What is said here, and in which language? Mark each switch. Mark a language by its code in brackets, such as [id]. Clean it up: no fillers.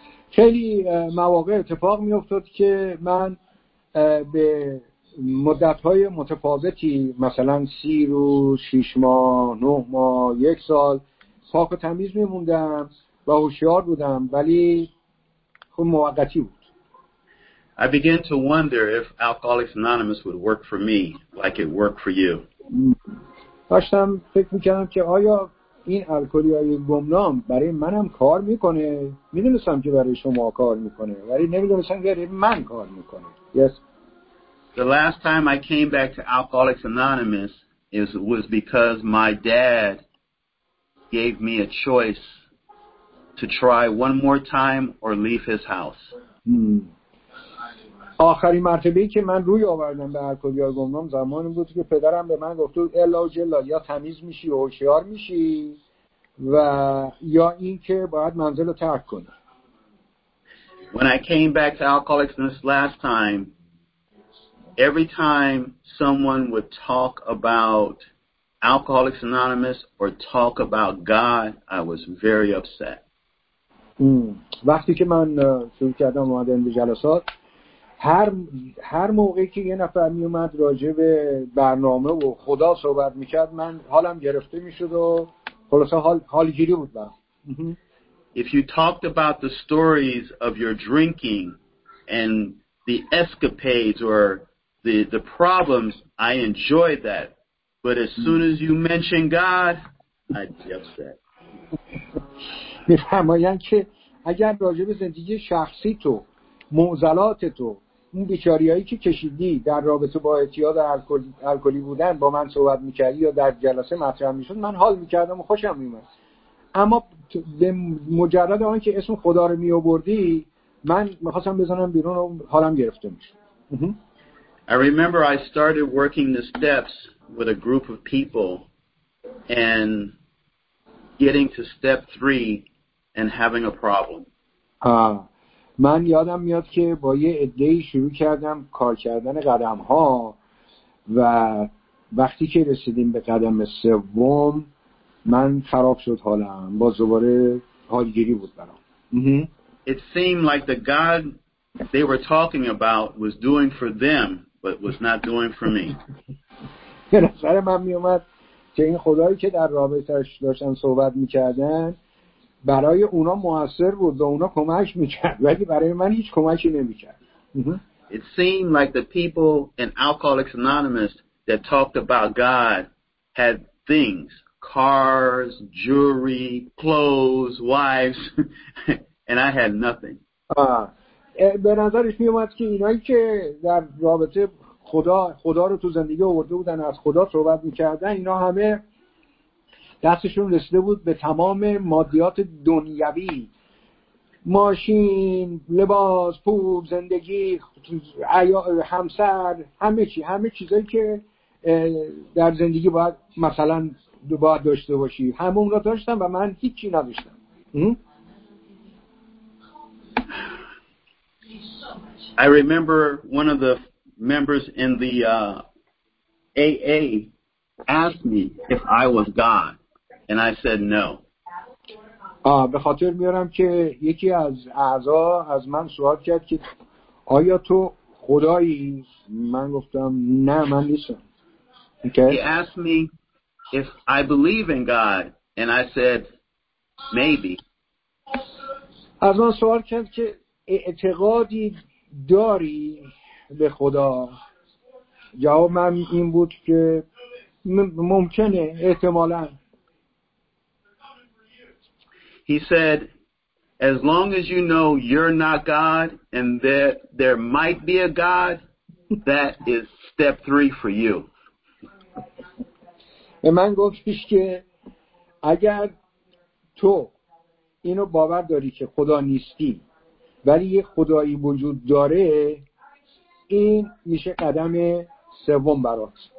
[fa] خیلی مواقع اتفاق می افتاد که من به مدت‌های متفاوتی مثلا 30 روز، 6 ماه، 9 ماه، 1 سال پاک و تمیز می‌موندم و هوشیار بودم ولی خود موقتی بود. [en] I began to wonder if Alcoholics Anonymous would work for me like it worked for you. [fa] داشتم فکر می‌کردم که آیا این الکلی‌های گمنام برای منم کار می‌کنه. می‌دونستم که برای شما کار می‌کنه ولی نمی‌دونستم که برای من کار می‌کنه. [en] Yes. The last time I came back to Alcoholics Anonymous was because my dad gave me a choice to try one more time or leave his house. [fa] آخرین مرتبه‌ای که من روی آوردم به الکلی‌های گمنام زمانی بود که پدرم به من گفت الا جلا یا تمیز میشی و هوشیار میشی و یا اینکه باید منزل رو ترک کنی. [en] When I came back to Alcoholics Anonymous last time, every time someone would talk about Alcoholics Anonymous or talk about God, I was very upset. [fa] وقتی که من شروع کردم اومدن به جلسات هر موقعی که یه نفر می اومد راجع به برنامه و خدا صحبت می‌کرد من حالم گرفته می‌شد و خلاصه حالگیری بود با. [en] If you talked about the stories of your drinking and the escapades or the problems, I enjoyed that. But as soon as you mention God, I'd be upset. [fa] می‌فهمم که اگر راجع به زندگی شخصی تو، معضلات تو، اون بیچاره‌ای که کشیدی در رابطه با اعتیاد الکلی بودن با من صحبت می‌کردی یا در جلسه مطرح می‌شد، من حال می‌کردم و خوشم می‌اومد. اما به مجرد آنکه اسم خدا رو می‌آوردی، من می‌خواستم بزنم بیرون و حالم گرفته می‌شد. [en] I remember I started working the steps with a group of people and getting to step 3 and having a problem. [fa] من یادم میاد که با یه عده‌ای شروع کردم کار کردن قدم‌ها و وقتی که رسیدیم به قدم سوم من خراب شد حالم، باز دوباره حالگیری بود برام. [en] It seemed like the God they were talking about was doing for them but was not doing for me. [fa] به نظر من می اومد که این خدایی که در رابطه‌اش داشتن صحبت می‌کردن برای اونا مؤثر بود و اونا کمک میکرد ولی برای من هیچ کمکی نمیکرد. [en] It seemed like the people in Alcoholics Anonymous that talked about God had things, cars, jewelry, clothes, wives, and I had nothing. [fa] به نظرش میومد که اینایی که در رابطه خدا رو تو زندگی آورده بودن از خدا صحبت میکردن اینا همه دستشون رسیده بود به تمام مادیات دنیوی، ماشین، لباس، پول، زندگی، همسر، همه چی، همه چیزایی که در زندگی باید مثلا باید داشته باشی همه اونا داشتم و من هیچی نداشتم. [en] I remember one of the members in the AA asked me if I was God. And I said no. [fa] به خاطر میارم که یکی از اعضا از من سوال کرد که آیا تو خدایی؟ من گفتم نه من نیستم. [en] Okay. He asked me if I believe in God and I said maybe. [fa] از من سوال کرد که اعتقادی داری به خدا؟ جواب من این بود که ممکنه احتمالاً. [en] He said, as long as you know you're not God and that there might be a God, that is step 3 for you. [fa] من گفتش که اگر تو اینو باور داری که خدا نیستی ولی یه خدایی وجود داره این میشه قدم سوم برات.